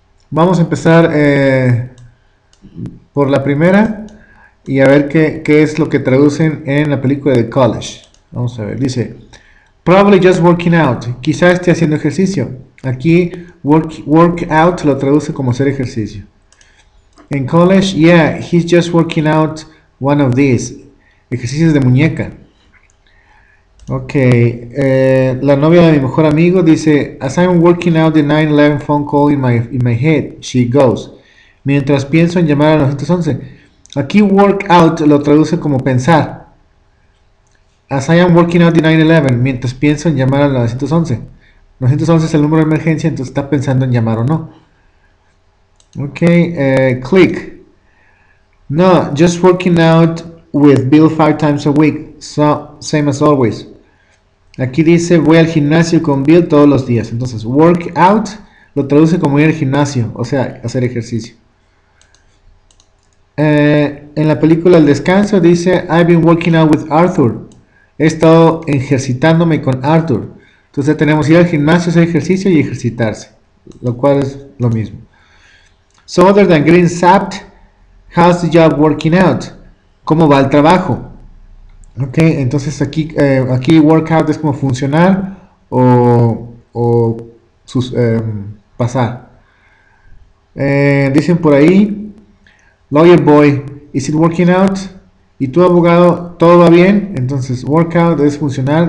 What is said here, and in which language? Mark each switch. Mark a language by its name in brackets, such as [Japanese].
[Spanish] Vamos a empezar por la primera y a ver qué es lo que traducen en la película de College. Vamos a ver, dice. [English] Probably just working out. [Spanish] Quizá esté haciendo ejercicio. Aquí work out lo traduce como hacer ejercicio. [English] En college, yeah, he's just working out one of these. [Spanish] Ejercicios de muñeca. Ok. La novia de mi mejor amigo dice, [English] as I'm working out the 911 phone call in my head, she goes. [Spanish] Mientras pienso en llamar a 911. Aquí work out lo traduce como pensar. [English] As I am working out the 911, [Spanish] mientras pienso en llamar al 911. 911 es el número de emergencia, entonces está pensando en llamar o no. Ok, click. [English] No, just working out with Bill 5 times a week, so same as always. [Spanish] Aquí dice, voy al gimnasio con Bill todos los días. Entonces, work out lo traduce como ir al gimnasio, o sea, hacer ejercicio. En la película El descanso dice, [English] I've been working out with Arthur. [Spanish] He estado ejercitándome con Arthur. Entonces tenemos ir al gimnasio, hacer ejercicio y ejercitarse, lo cual es lo mismo. [English] So other than getting zapped, how's the job working out? [Spanish] ¿Cómo va el trabajo? Ok, entonces aquí workout es como funcionar o pasar. Dicen por ahí, [English] lawyer boy, is it working out? [Spanish] Y tu abogado, ¿todo va bien? Entonces, workout es funcional.